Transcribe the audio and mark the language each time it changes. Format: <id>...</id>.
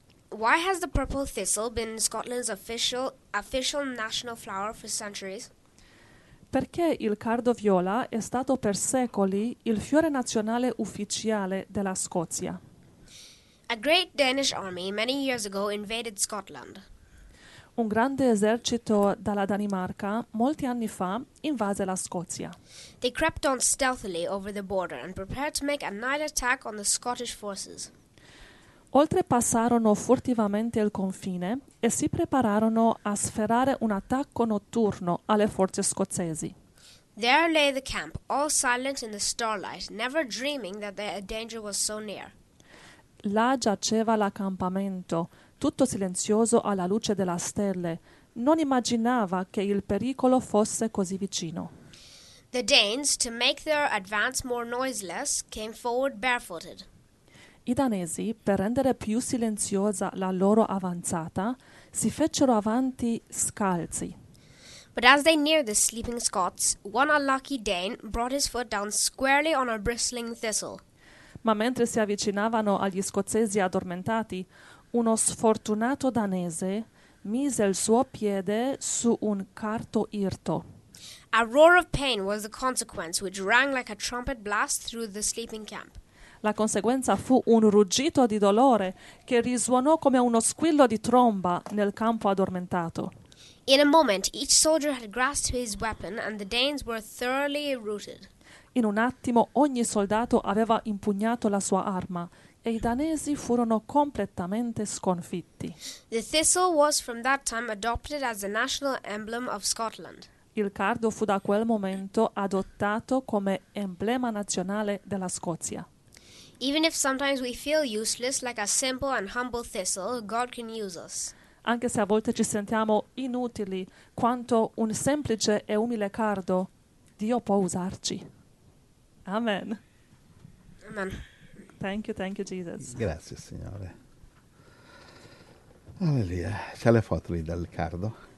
<en>Why has the purple thistle been Scotland's official national flower for centuries?</en> <it>Perché il cardo viola è stato per secoli il fiore nazionale ufficiale della Scozia.</it> <en>A great Danish army many years ago invaded Scotland.</en> <it>Un grande esercito dalla Danimarca molti anni fa invase la Scozia.</it> <en>They crept on stealthily over the border and prepared to make a night attack on the Scottish forces.</en> <it>Oltrepassarono furtivamente il confine e si prepararono a sferrare un attacco notturno alle forze scozzesi.</it> <en>There lay the camp, all silent in the starlight, never dreaming that the danger was so near.</en> <it>Là giaceva l'accampamento, tutto silenzioso alla luce della stelle, non immaginava che il pericolo fosse così vicino.</it> <en>The Danes, to make their advance more noiseless, came forward barefooted.</en> <it>I danesi, per rendere più silenziosa la loro avanzata, si fecero avanti scalzi.</it> <en>But as they neared the sleeping Scots, one unlucky Dane brought his foot down squarely on a bristling thistle.</en> <it>Ma mentre si avvicinavano agli scozzesi addormentati, uno sfortunato danese mise il suo piede su un carto irto.</it> <en>A roar of pain was the consequence, which rang like a trumpet blast through the sleeping camp.</en> <it>La conseguenza fu un ruggito di dolore che risuonò come uno squillo di tromba nel campo addormentato.</it> <en>In a moment, each soldier had grasped his weapon and the Danes were thoroughly routed.</en> <it>In un attimo, ogni soldato aveva impugnato la sua arma e i danesi furono completamente sconfitti.</it> <en>The thistle was from that time adopted as the national emblem of Scotland.</en> <it>Il cardo fu da quel momento adottato come emblema nazionale della Scozia.</it> <en>Even if sometimes we feel useless like a simple and humble thistle, God can use us.</en> <it>Anche se a volte ci sentiamo inutili quanto un semplice e umile cardo, Dio può usarci.</it> <en>Amen.</en> <it>Amen.</it> <en>Thank you, Jesus.</en> <it>Grazie, Signore. Alleluia. C'è le foto lì del cardo?</it>